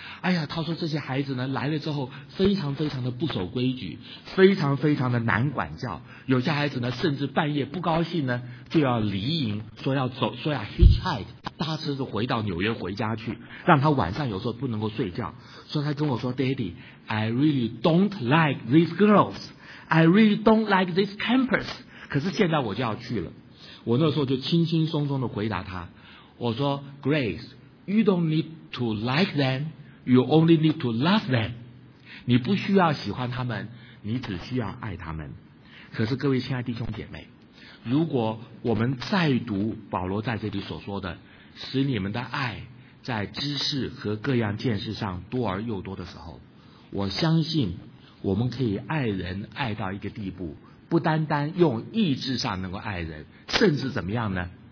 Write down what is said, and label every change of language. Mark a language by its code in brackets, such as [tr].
[zh] 哎呀，他说这些孩子呢来了之后非常非常的不守规矩，非常非常的难管教，有些孩子呢甚至半夜不高兴呢就要离营，说要走，说要 hitchhike 搭车子回到纽约回家去，让他晚上有时候不能够睡觉。所以他跟我说， [en] Daddy I really don't like these girls, I really don't like this campus, [zh] 可是现在我就要去了。我那时候就轻轻松松地回答他，我说， [en] Grace you don't need to like them, you only need to love them, [zh] 你不需要喜欢他们，你只需要爱他们。可是各位亲爱弟兄姐妹，如果我们再读保罗在这里所说的使你们的爱在知识和各样见识上多而又多的时候，我相信我们可以爱人爱到一个地步，不单单用意志上能够爱人，甚至怎么样呢？